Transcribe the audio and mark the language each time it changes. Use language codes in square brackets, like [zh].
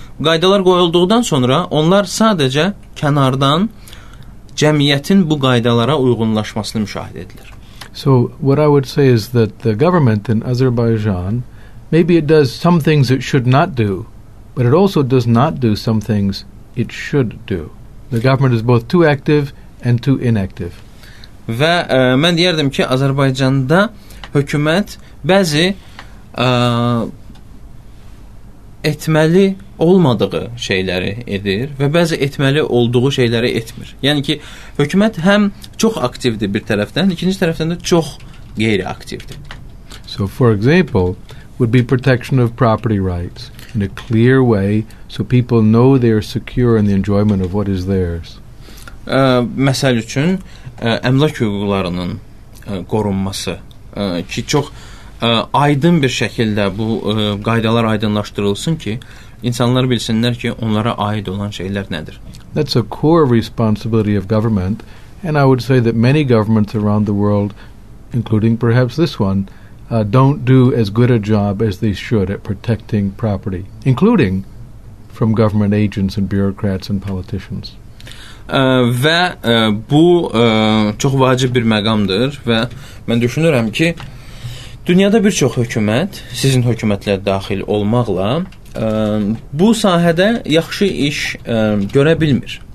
[az] Qaydalar qoyulduqdan sonra onlar sadəcə kənardan cəmiyyətin bu qaydalara uyğunlaşmasını müşahidə edilir. [en] So, what I would say is that the government in Azerbaijan, maybe it does some things it should not do, but it also does not do some things it should do. The government is both too active and too inactive. [az] Və mən deyərdim ki, Azərbaycanda hökumət bəzi etməli olmadığı şeyləri edir və bəzi etməli olduğu şeyləri etmir. Yəni ki, hökumət həm çox aktivdir bir tərəfdən, ikinci tərəfdən də çox qeyri-aktivdir. [en] So, for example, would be protection of property rights in a clear way so people know they are secure in the enjoyment of what is theirs. [az] məsəl üçün əmlak hüquqlarının qorunması ki, çox aydın bir şəkildə bu qaydalar aydınlaşdırılsın ki, insanlar bilsinlər ki, onlara aid olan şeylər nədir. [en] That's a core responsibility of government, and I would say that many governments around the world, including perhaps this one, don't do as good a job as they should at protecting property, including from government agents and bureaucrats and politicians. [az] Və bu çox vacib bir məqamdır və mən düşünürəm ki, dünyada bir çox hökumət, sizin hökumətlər daxil olmaqla, bu sahədə yaxşı iş görə bilmir.